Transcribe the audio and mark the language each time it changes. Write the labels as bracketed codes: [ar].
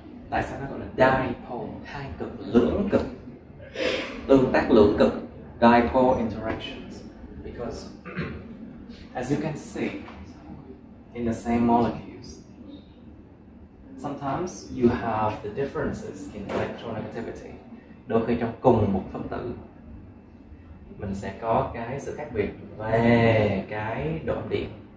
[vi] Tại sao nó gọi là dipole, hai cực, lưỡng cực, tương tác lưỡng cực, dipole interactions? [en] Because as you can see, in the same molecules, sometimes you have the differences in electronegativity. [vi] Đôi khi trong cùng một phân tử, mình sẽ có cái sự khác biệt về cái độ ẩm điện.